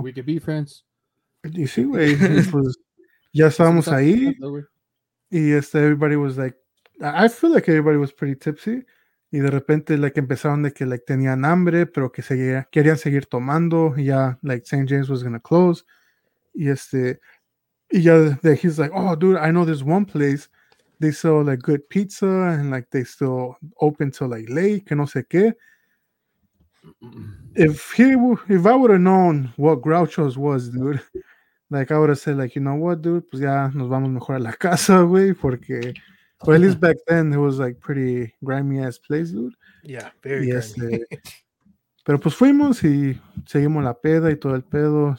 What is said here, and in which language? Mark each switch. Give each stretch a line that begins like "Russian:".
English: We could be friends. You see, güey,
Spanish: pues, ya estábamos ahí.
English: Y everybody was like, I feel like everybody was pretty tipsy.
Spanish: Y de repente, like, empezaron de que, like, tenían hambre, pero que querían seguir tomando. Y ya,
English: like, St. James was going to close.
Spanish: Y ya,
English: he's like, oh, dude, I know this one place. they sell like good pizza and like they still open till like late,
Spanish: que no sé qué.
English: If I would have known what Groucho's was, dude, like I would have said, like, you know what, dude,
Spanish: pues ya nos vamos mejor a la casa, güey, porque,
English: or at least back then it was like pretty grimy ass place, dude. Yeah, very grimy.
Spanish: Este, pero pues fuimos y seguimos la peda y todo el pedo.